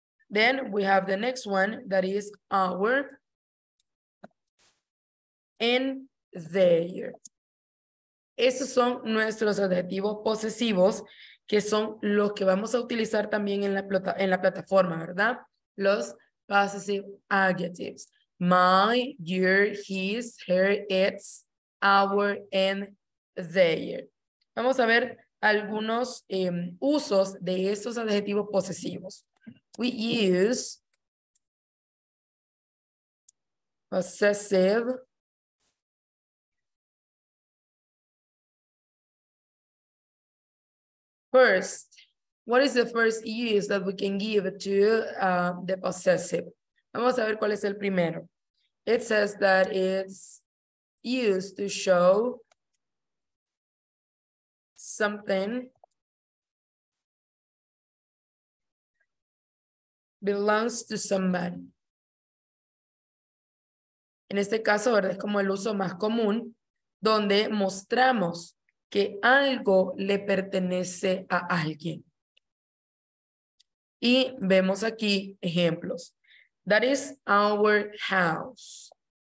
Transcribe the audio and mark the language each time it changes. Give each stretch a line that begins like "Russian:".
English: Then we have the next one, that is our and their.
Spanish: Esos son nuestros adjetivos posesivos, que son los que vamos a utilizar también en la plataforma, ¿verdad?
English: Los possessive adjectives. My, your, his, her, its, our, and their.
Spanish: Vamos a ver algunos usos de estos adjetivos posesivos.
English: We use possessive first. What is the first use that we can give to the possessive?
Spanish: Vamos a ver cuál es el primero.
English: It says that it's used to show something belongs to somebody.
Spanish: En este caso, ¿verdad? Es como el uso más común donde mostramos que algo le pertenece a alguien. Y vemos aquí ejemplos.
English: That is our house.